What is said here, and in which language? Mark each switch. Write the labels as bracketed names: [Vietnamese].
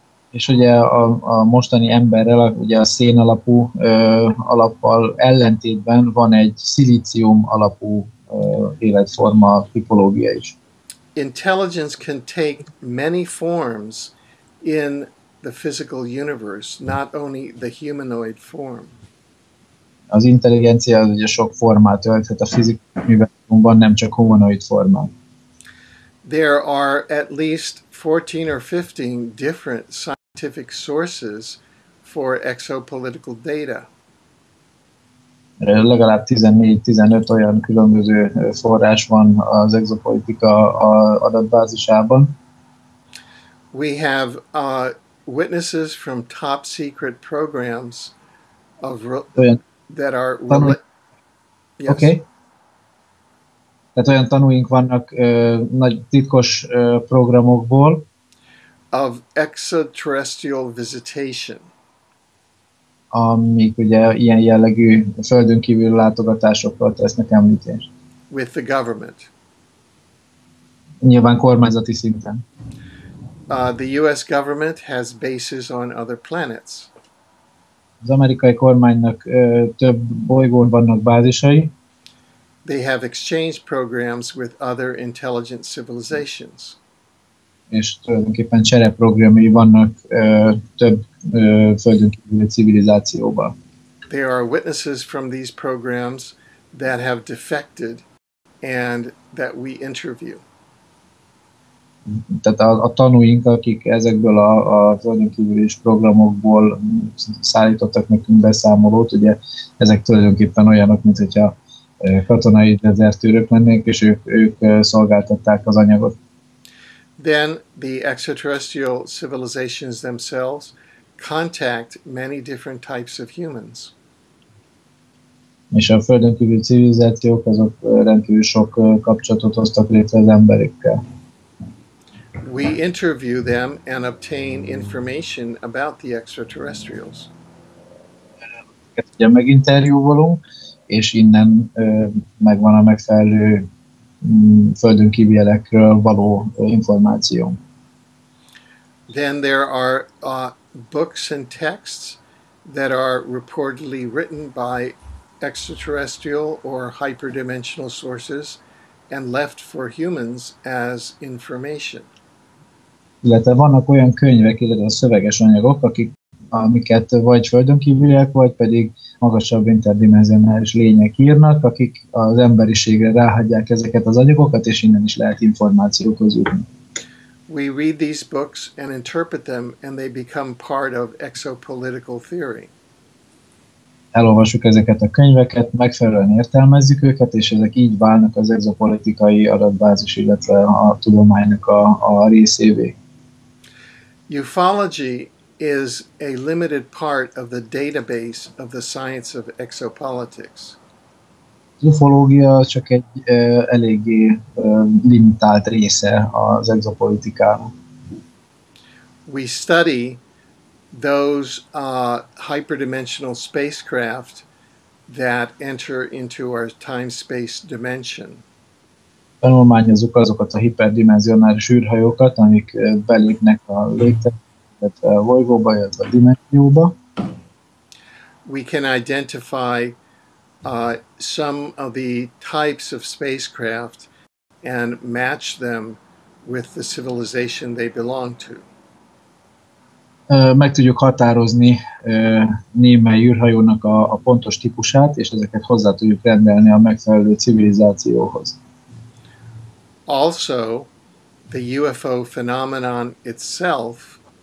[Hungarian] És ugye a mostani emberrel, ugye a szén alapú alappal ellentétben van egy szilícium alapú életforma tipológia is. [English] Intelligence can take many forms in the physical universe, not only the humanoid form. [Hungarian] Az intelligencia az ugye sok formát ölthet a fizikai univerzumban, nem csak humanoid formát. [English] There are at least 14 or 15 different scientific sources for exopolitical data. [Hungarian] Legalább 14-15 olyan különböző forrás van az exopolitika adatbázisában. [English] We have witnesses from top secret programs of that are yes. Okay. [Hungarian] Tehát olyan tanúink vannak nagy titkos programokból. [English] Of extraterrestrial visitation. [Hungarian] Amik ugye ilyen jellegű földön kívül látogatásokról tesznek említés. [English] With the government. [Hungarian] Nyilván kormányzati szinten. [English] The US government has bases on other planets. [Hungarian] Az amerikai kormánynak több bolygón vannak bázisai. [English] They have exchange programs with other intelligent civilizations. [Hungarian] és tulajdonképpen csereprogramjai vannak több földönkívüli civilizációban. [English] There are witnesses from these programs that have defected and that we interview. [Hungarian] Tehát a tanúink, akik ezekből a földönkívülés programokból szállítottak nekünk beszámolót, ugye ezek tulajdonképpen olyanok, mint hogyha katonai dezertőrök lennék, és ők szolgáltatták az anyagot. [English] Then the extraterrestrial civilizations themselves contact many different types of humans. [Hungarian] És a földönkívüli civilizációk azok rendkívül sok kapcsolatot hoztak létre az emberekkel. [English] We interview them and obtain information about the extraterrestrials. [Hungarian] Ugye meginterjúvolunk, és innen megvan a megfelelő földönkívülekről való információ. [English] Then there are books and texts that are reportedly written by extraterrestrial or hyperdimensional sources and left for humans as information. [Hungarian] Illetve vannak olyan könyvek, illetve szöveges anyagok, amiket vagy földönkívüliek, vagy pedig magasabb interdimenzionális lények írnak, akik az emberiségre ráhagyják ezeket az anyagokat, és innen is lehet információkhoz jutni. [English] We read these books and interpret them, and they become part of exopolitical theory. [Hungarian] Elolvassuk ezeket a könyveket, megfelelően értelmezzük őket, és ezek így válnak az exopolitikai adatbázis, illetve a tudománynak a részévé. [English] Ufology is a limited part of the database of the science of exopolitics. [Hungarian] Ufológia csak egy eléggé limitált része az exopolitikának. [English] We study those hyperdimensional spacecraft that enter into our time-space dimension. [Hungarian] Tanulmányozzuk azokat a hiperdimenzionális űrhajókat, amik belépnek a létezésbe, a bolygóba, illetve a dimenzióba. [English] We can identify some of the types of spacecraft and match them with the civilization they belong to. [Hungarian] Meg tudjuk határozni némely űrhajónak a pontos típusát, és ezeket hozzá tudjuk rendelni a megfelelő civilizációhoz. [English] Also, the UFO phenomenon itself.